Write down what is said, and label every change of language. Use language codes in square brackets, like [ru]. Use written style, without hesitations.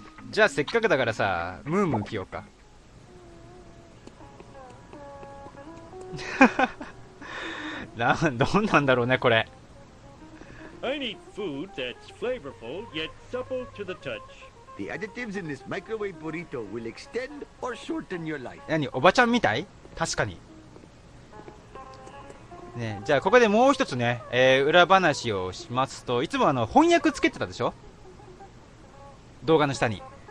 [ja] じゃあせっかくだからさ、ムームー着ようか。どんなんだろうね、これ。 [en] I need food that's flavorful yet supple to the touch. The additives in this microwave burrito will extend or shorten your life. [ja] 何、おばちゃんみたい？確かに。ね、じゃあここでもう一つね、裏話をしますと、いつもあの翻訳つけてたでしょ？動画の下に。